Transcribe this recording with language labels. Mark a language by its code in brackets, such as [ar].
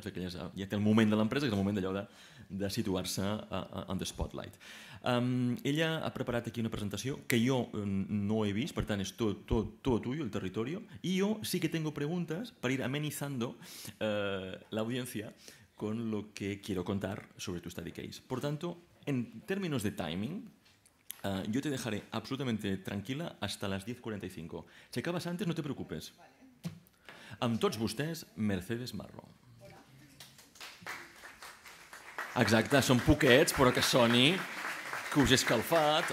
[ca] És aquelles, ja té el moment de l'empresa, que és el moment d'allò de situar-se [en] on the spotlight. [ca] Ella ha preparat aquí una presentació que jo no he vist, per tant és tot tuyo, el territori, i jo sí que tengo preguntes per ir amenizando l'audiència [es] con lo que quiero contar sobre tu [en] study case. [es] Por tanto, en términos de timing, yo te dejaré absolutamente tranquila hasta las 10:45. Si acabas antes, no te preocupes. Vale. [ca] Amb tots vostès, Mercedes Marro. Exacte, són poquets, però que soni, que us he escalfat.